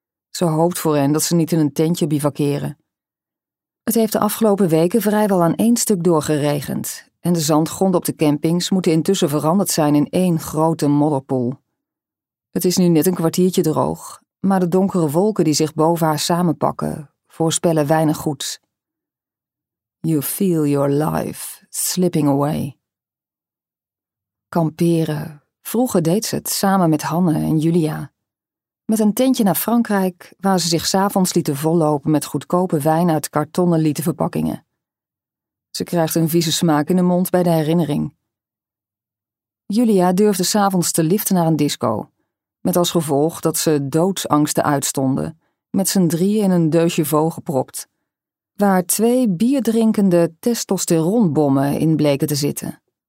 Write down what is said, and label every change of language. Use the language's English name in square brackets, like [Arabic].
[Dutch] Ze hoopt voor hen dat ze niet in een tentje bivakeren. Het heeft de afgelopen weken vrijwel aan één stuk doorgeregend en de zandgronden op de campings moeten intussen veranderd zijn in één grote modderpoel. Het is nu net een kwartiertje droog, maar de donkere wolken die zich boven haar samenpakken voorspellen weinig goeds. [English] You feel your life slipping away. [Dutch] Kamperen. Vroeger deed ze het samen met Hanne en Julia. Met een tentje naar Frankrijk, waar ze zich 's avonds lieten vollopen met goedkope wijn uit kartonnen lieten verpakkingen. Ze krijgt een vieze smaak in de mond bij de herinnering. Julia durfde 's avonds te liften naar een disco, met als gevolg dat ze doodsangsten uitstonden, met z'n drieën in een deusje vaux gepropt, waar twee bierdrinkende testosteronbommen in bleken te zitten.